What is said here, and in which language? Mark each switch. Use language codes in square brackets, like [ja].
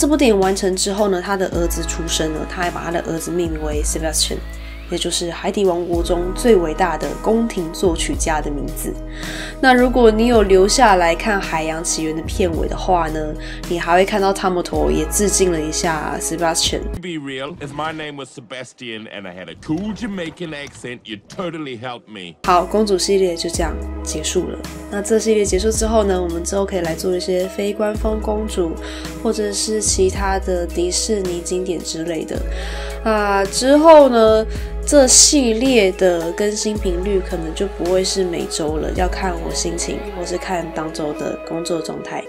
[zh] 这部电影完成之后呢，他的儿子出生了，他还把他的儿子命名为 Sebastian，也就是海底王国中最伟大的宫廷作曲家的名字。那如果你有留下来看海洋奇缘的片尾的话呢，你还会看到汤姆托也致敬了一下 Sebastian。 [en] Be real, if my name was Sebastian and I had a cool Jamaican accent, you totally helped me。 [zh] 好，公主系列就这样结束了。那这系列结束之后呢，我们之后可以来做一些非官方公主或者是其他的迪士尼经典之类的。那之后呢，这系列的更新频率可能就不会是每周了，要看我心情或是看当周的工作状态。